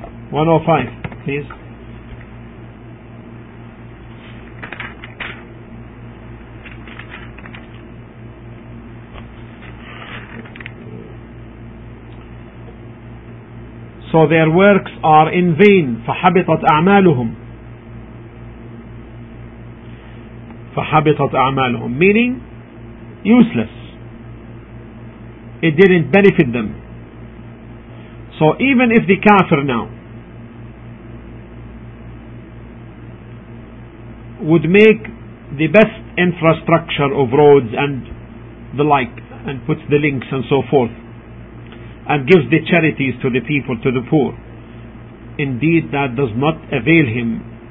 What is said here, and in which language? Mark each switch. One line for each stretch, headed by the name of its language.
English: 105 please. So their works are in vain.
Arabic: فَحَبِطَتْ أَعْمَالُهُمْ فَحَبِطَتْ أَعْمَالُهُمْ,
English: meaning useless. It didn't benefit them. So even if the kafir now would make the best infrastructure of roads and the like, and puts the links and so forth, and gives the charities to the people, to the poor, indeed that does not avail him.